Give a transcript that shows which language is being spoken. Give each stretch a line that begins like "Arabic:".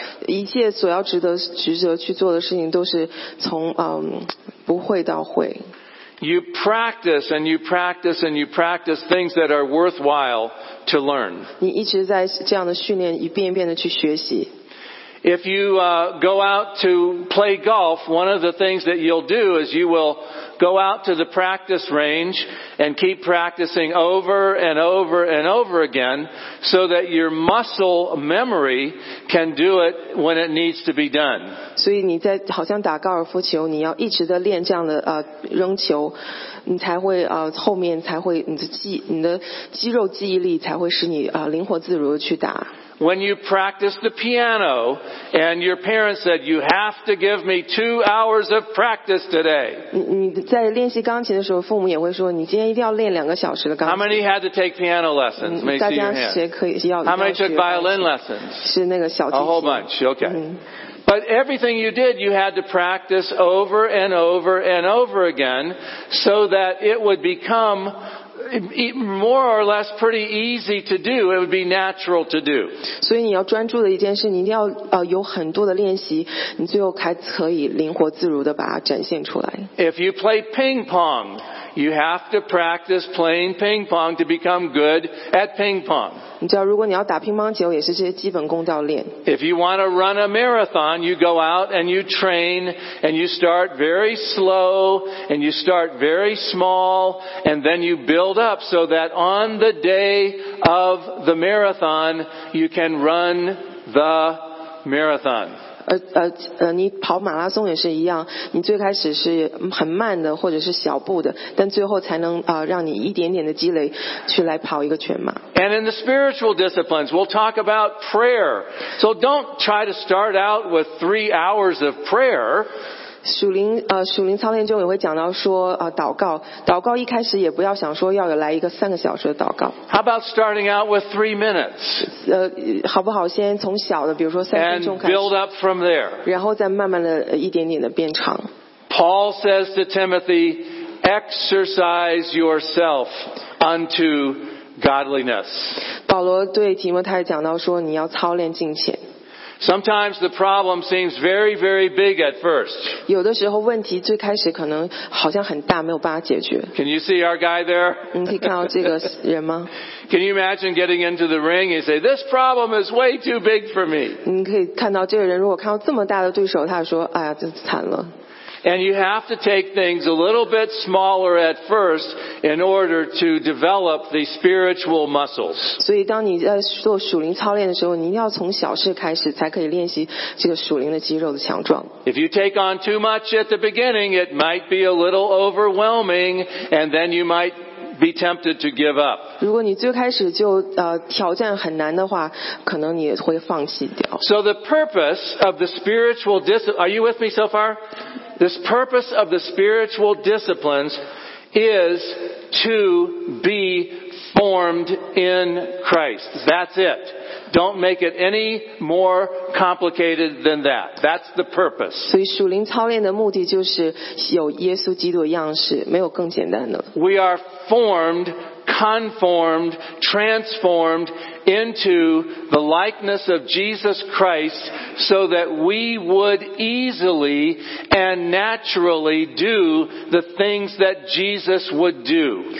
Chinese: 一切所要值得去做的事情都是从不会到会。
English: You practice and you practice and you practice things that are worthwhile to learn.
Chinese: 你一直在这样的训练，一遍一遍的去学习。
English: If you go out to play golf, one of the things that you'll do is you will go out to the practice range and keep practicing over and over and over again so that your muscle memory can do it when it needs to be done.
Chinese: 所以你在好像打高尔夫球，你要一直的练这样的扔球，你才会后面才会你的肌肉记忆力才会使你灵活自如的去打。
English: When you practice the piano and your parents said, you have to give me 2 hours of practice today.
Chinese: 你在练习钢琴的时候，父母也会说，你今天一定要练两个小时的钢琴。
English: How many had to take piano lessons? Let me see your hands.
Chinese: 大家谁可以要
English: How many took violin lessons?
Chinese: 是那个小提琴。
English: A whole bunch, okay. But everything you did, you had to practice over and over and over again so that it would become... more or less pretty easy to do. It would be natural to do.
Chinese: 所以你要专注的一件事，你一定要有很多的练习，你最后才可以灵活自如的把它展现出来。
English: If you play ping pong, you have to practice playing ping pong to become good at ping pong.
Chinese: 你知道，如果你要打乒乓球，也是这些基本功要练。
English: If you want to run a marathon, you go out and you train and you start very slow and you start very small and then you build. Build up so that on the day of the marathon, you can run the marathon.
Chinese: 你跑马拉松也是一样，你最开始是很慢的或者是小步的，但最后才能让你一点点的积累去来跑一个全马。
English: And in the spiritual disciplines, we'll talk about prayer. So don't try to start out with 3 hours of prayer.
Chinese: 属灵操练中也会讲到说祷告，祷告一开始也不要想说要有来一个三个小时的祷告。
English: How about starting out with 3 minutes?
Chinese: 好不好先从小的，比如说3分钟开始。
English: And build up from there.
Chinese: 然后再慢慢的一点点的变长。
English: Paul says to Timothy, exercise yourself unto godliness.
Chinese: 保罗对提摩太讲到说你要操练敬虔。
English: Sometimes the problem seems very, very big at first.
Chinese: 有的时候问题最开始可能好像很大，没有办法解决。
English: Can you see our guy there?
Chinese: 你可以看到这个人吗？
English: Can you imagine getting into the ring and say, this problem is way too big for me?
Chinese: 你可以看到这个人，如果看到这么大的对手，他说，哎呀，这惨了。
English: And you have to take things a little bit smaller at first in order to develop the spiritual muscles.
Chinese: 所以当你在做属灵操练的时候，你要从小事开始，才可以练习这个属灵的肌肉的强壮。
English: If you take on too much at the beginning, it might be a little overwhelming, and then you might be tempted to give up.
Chinese: 如果你最开始就挑战很难的话，可能你会放弃掉。
English: So the purpose of the spiritual discipline. Are you with me so far? This purpose of the spiritual disciplines is to be formed in Christ. That's it. Don't make it any more complicated than that. That's the purpose.
Chinese: 所以属灵操练的目的就是有耶稣基督的样式，没有更简单的。
English: We are formed, conformed, transformed into the likeness of Jesus Christ so that we would easily and naturally do the things that Jesus would do.